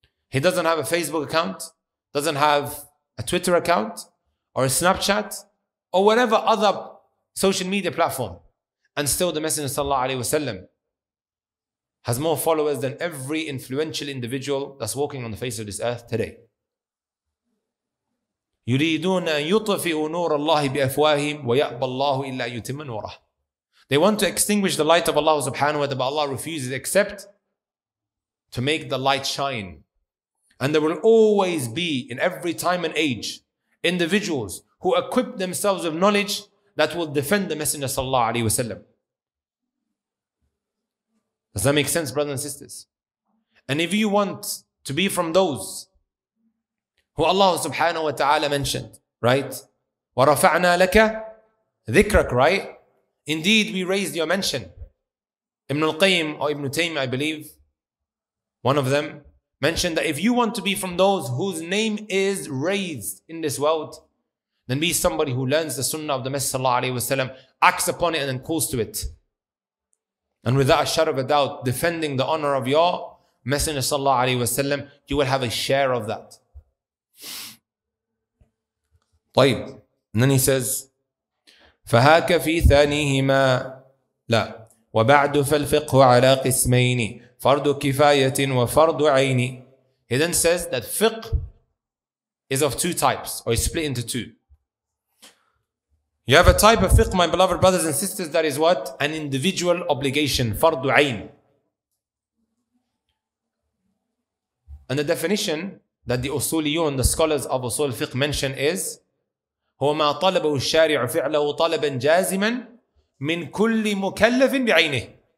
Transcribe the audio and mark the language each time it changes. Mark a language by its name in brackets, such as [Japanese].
[English] He doesn't have a Facebook account, doesn't have a Twitter account, or a Snapchat, or whatever other social media platform. And still the Messenger sallallahu alayhi wasallam has more followers than every influential individual that's walking on the face of this earth today. [Arabic] يريدون أن يطفئوا نور الله بأفواههم ويأبى الله إلا يتم نوره. [English] They want to extinguish the light of Allah subhanahu wa ta'ala, but Allah refuses except to make the light shine. And there will always be, in every time and age, individuals who equip themselves with knowledge that will defend the Messenger sallallahu alayhi wasallam. Does that make sense, brothers and sisters? And if you want to be from those who Allah subhanahu wa ta'ala mentioned, right? [Arabic] وَرَفَعْنَا لَكَ ذِكْرَكَ, [English] right? Indeed, we raised your mention. Ibn al-Qayyim or Ibn Taymiyyah, I believe, one of them, mentioned that if you want to be from those whose name is raised in this world, then be somebody who learns the sunnah of the Messenger sallallahu alayhi wasallam, acts upon it and then calls to it. And without a shadow of a doubt, defending the honor of your Messenger sallallahu alayhi wasallam, you will have a share of that. [Arabic] طيب. [English] And then he says, [Arabic] فهاك في ثانيهما لا وبعد فالفقه على قسمين فرض كفاية وفرض عين. [English] He then says that fiqh is of two types, or is split into two. You have a type of fiqh, my beloved brothers and sisters, that is what? An individual obligation, فرض عين. And the definition that the usuliyun, the scholars of usul fiqh, mention is [Arabic] هُوَ مَا طَلَبَهُ الشَّارِعُ فِعْلَهُ طَلَبًا جَازِمًا مِنْ كُلِّ مُكَلَّفٍ بِعَيْنِهِ.